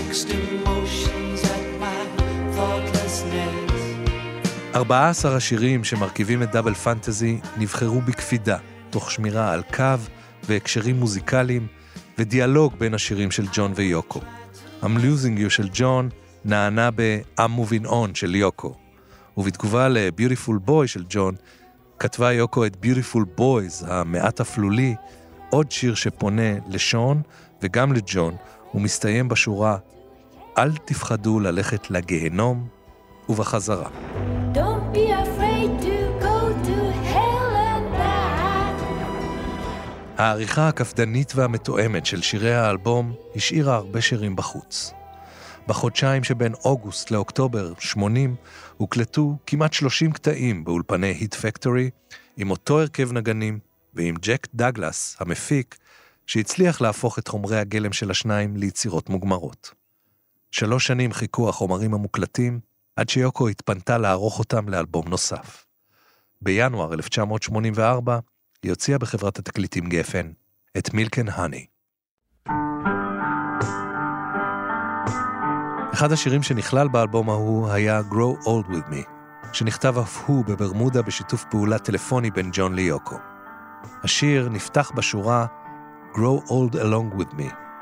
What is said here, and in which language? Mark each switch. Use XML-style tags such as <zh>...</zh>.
<en>Emotions at my thoughtlessness</en> <he>14 השירים שמרכיבים את דאבל פנטזי נבחרו בקפידה, תוך שמירה על קו והקשרים מוזיקליים ודיאלוג בין השירים של ג'ון ויוקו. I'm Losing You של ג'ון נענה ב-I'm Moving On של יוקו. ובתגובה ל-Beautiful Boy של ג'ון, כתבה יוקו את Beautiful Boys, המעט הפלולי, עוד שיר שפונה לשון וגם לג'ון, ומסתיים בשורה, אל תפחדו ללכת לגיהנום ובחזרה.</he> <en>Don't be afraid to go to hell and back.</en> <he>העריכה הקפדנית והמתואמת של שירי האלבום השאירה הרבה שירים בחוץ. בחודשיים שבין אוגוסט לאוקטובר 80, הוקלטו כמעט 30 קטעים באולפני היט פקטורי, עם אותו הרכב נגנים ועם ג'ק דאגלס, המפיק, שהצליח להפוך את חומרי הגלם של השניים ליצירות מוגמרות. 3 שנים חיכו החומרים המוקלטים, עד שיוקו התפנתה לערוך אותם לאלבום נוסף. בינואר 1984, היא הוציאה בחברת התקליטים גפן את מילק אנד הני. אחד השירים שנכלל באלבום ההוא היה Grow Old With Me, שנכתב אף הוא בברמודה בשיתוף פעולה טלפוני בין ג'ון ליוקו. השיר נפתח בשורה</he> <en>Grow Old Along With Me.</en>